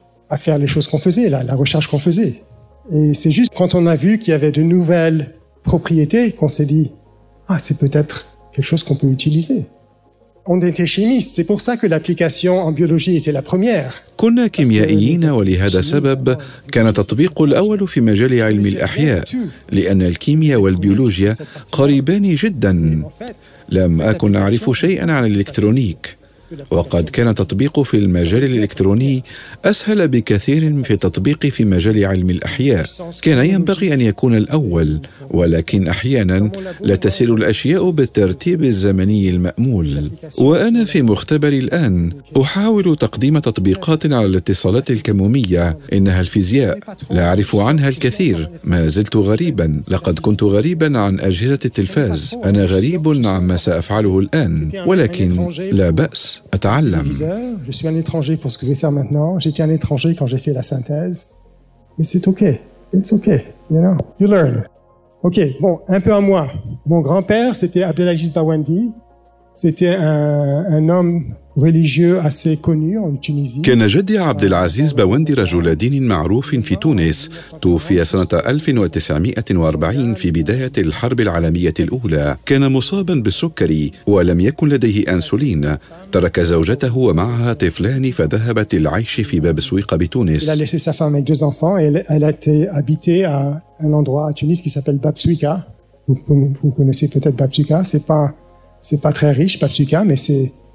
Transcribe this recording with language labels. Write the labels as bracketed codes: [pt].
[fr] à faire les choses qu'on faisait, la recherche qu'on faisait. Et c'est juste quand on a vu qu'il y avait de nouvelles propriétés qu'on s'est dit « Ah, c'est peut-être quelque chose qu'on peut utiliser ». On était chimistes, c'est pour ça que l'application en biologie était la première. [ar] كنا كيميائيين، ولهذا السبب كان التطبيق الأول في مجال علم الأحياء، لأن الكيمياء والبيولوجيا قريبان جدا. لم أكن أعرف شيئا عن الإلكترونيك، وقد كان تطبيق في المجال الإلكتروني أسهل بكثير في التطبيق في مجال علم الأحياء. كان ينبغي أن يكون الأول، ولكن أحياناً لا تسير الأشياء بالترتيب الزمني المأمول. وأنا في مختبري الآن أحاول تقديم تطبيقات على الاتصالات الكمومية. إنها الفيزياء، لا أعرف عنها الكثير. ما زلت غريباً، لقد كنت غريباً عن أجهزة التلفاز. أنا غريب عن ما سأفعله الآن، ولكن لا بأس أتعلم. [fr] Je suis un étranger pour ce que je vais faire maintenant. J'étais un étranger quand j'ai fait la synthèse. Mais c'est okay. [en] It's okay. You know. You learn. [fr] Ok, bon, un peu à moi. Mon grand-père, c'était Abdelaziz Bawandi. C'était un homme religieux assez connu en Tunisie. [ar] كان جدي عبد العزيز باوندي رجل دين معروف في تونس. توفي سنة 1940 في بداية الحرب العالمية الأولى. كان مصابا بالسكري ولم يكن لديه أنسولين. ترك زوجته ومعها طفلان فذهبت للعيش في باب سويقة بتونس. [fr] Il a laissé sa femme et deux enfants et elle a été habitée à un endroit à Tunis qui s'appelle Bab Souika. Vous connaissez peut-être Bab Souika, c'est pas très riche Bab Souika, mais c'est